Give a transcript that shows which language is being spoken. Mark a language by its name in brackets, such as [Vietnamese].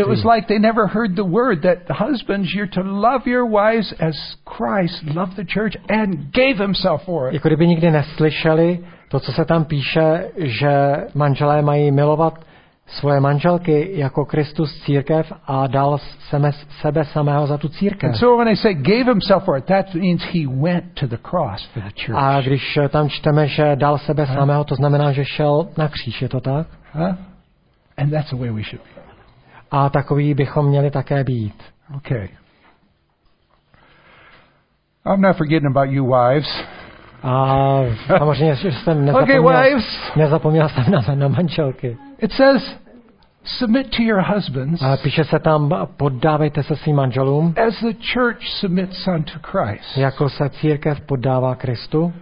[English] It was like they never heard the word that husbands you're to love your wives as Christ loved the church and gave himself for it. [Czech] Jako kdyby nikdy neslyšeli to, co se tam píše, že manželé mají milovat svoje manželky jako Kristus církev a dal sebe samého za tu církev. [English] And so when I say gave himself for it, that means he went to the cross for the church. [Czech] A když tam čteme, že dal sebe samého, to znamená, že šel na kříž, je to tak? [English] And that's the way we should be. [Czech] A takový bychom měli také být. [English] Okay. I'm not forgetting about you wives. [Czech] A samozřejmě, že jsem nezapomněl jsem na manželky. [English] It says, submit to your husbands. [Czech] A píše se tam, poddávejte se svým manželům. [English] As the church submits unto Christ. [Czech] Jako se církev poddává Kristu.